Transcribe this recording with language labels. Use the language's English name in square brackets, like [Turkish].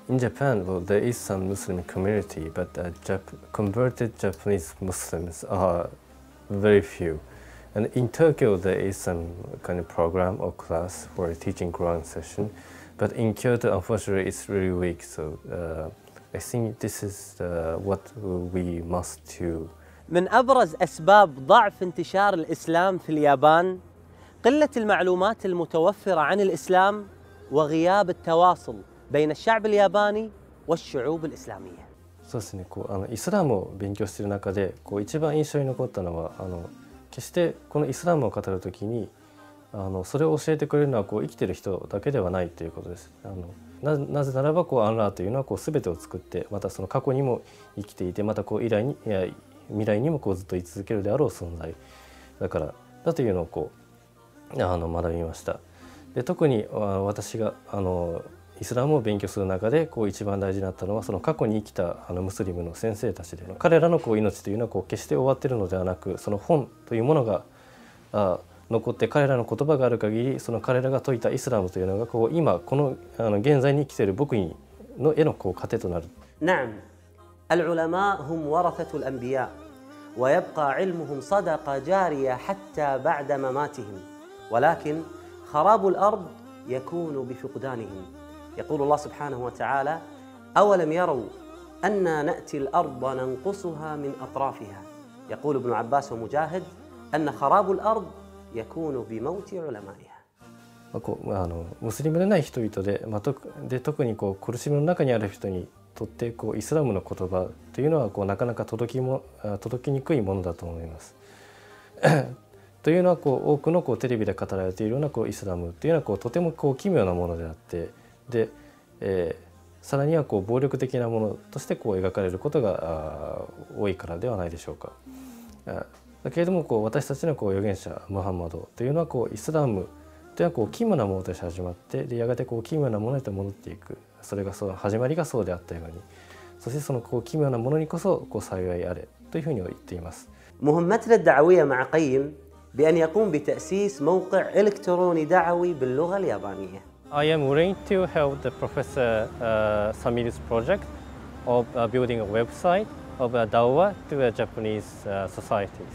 [English] In Japan, well, there is some Muslim community, but converted Japanese Muslims are very few. And in Tokyo, there is some kind of program or class for a teaching Quran session. But in Kyoto, unfortunately, it's really weak. So I think this is what we must do. [Arabic] من أبرز أسباب ضعف انتشار الإسلام في اليابان قلة المعلومات المتوفرة عن الإسلام وغياب التواصل بين الشعب الياباني والشعوب الإسلامية. [Japanese] そうですね。こうあのイスラムを勉強している中で、こう一番印象に残ったのはあの。決してこのイスラムを語るときにあのそれを教えてくれるのはこう生きている人だけではないということです。あの なぜならばこうアンラーというのはこう全てを作ってまたその過去にも生きていてまたこう未来にもこうずっと居続けるであろう存在だからだというのをこうあの学びました。で特に私があのイスラムを勉強する中でこう一番大事になったのはその過去に生きたあのムスリムの先生たちで彼らのこう命というのはこう決して終わっているのではなくその本というものが残って彼らの言葉がある限りその彼らが説いたイスラムというのがこう今この現在に生きている僕にの絵のこう糧となる。 [Arabic] نعم العلماء هم ورثة الأنبياء ويبقى علمهم صدقة جارية حتى بعد مماتهم ولكن خراب الأرض يكون بفقدانهم. يقول الله سبحانه وتعالى أولم يروا أنا نأتي الأرض ننقصها من أطرافها. يقول ابن عباس ومجاهد أن خراب الأرض يكون بموت علمائها. [Japanese] ムスリムでない人々で、まあ、で特にこう苦しみの中にある人にとってこうイスラムの言葉というのはこうなかなか届きにくいものだと思います。というのはこう多くのこうテレビで語られているようなこうイスラムというのはこうとてもこう奇妙なものであってで、さらにはこう暴力的なものとしてこう描かれることが多いからではないでしょうか。だけれどもこう私たちのこう預言者ムハンマドというのはこうイスラムというのはこう奇妙なものとして始まってでやがてこう奇妙なものへと戻っていく。それがその始まりがそうであったように。そしてそのこう奇妙なものにこそこう幸いあれというふうに言っています。ムハンマドの [Arabic] دعوية مع قيم بأن يقوم بتأسيس موقع إلكتروني دعوي باللغة اليابانية. [English] I am willing to help the Professor Samir's project of building a website of a Dawah to a Japanese society.